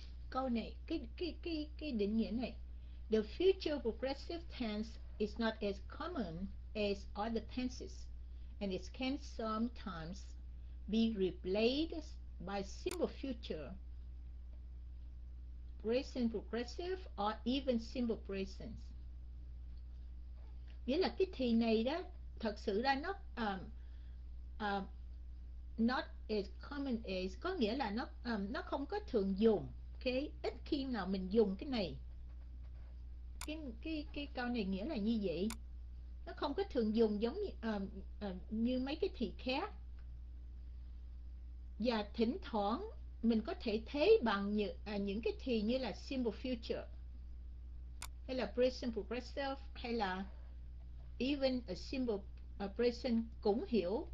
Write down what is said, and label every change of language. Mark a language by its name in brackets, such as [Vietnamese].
[Vietnamese] Câu này, cái định nghĩa này. [English] The future progressive tense is not as common as other tenses, and it can sometimes be replaced by simple future, present progressive, or even simple present. [Vietnamese] Nghĩa là cái thì này đó, thật sự ra nó [English] not as common as, [Vietnamese] có nghĩa là nó không có thường dùng, okay? Ít khi nào mình dùng cái này. Cái câu này nghĩa là như vậy, nó không có thường dùng giống như, như mấy cái thì khác, và thỉnh thoảng mình có thể thế bằng những cái thì như là simple future hay là present progressive hay là [English] even a simple present [Vietnamese] cũng hiểu.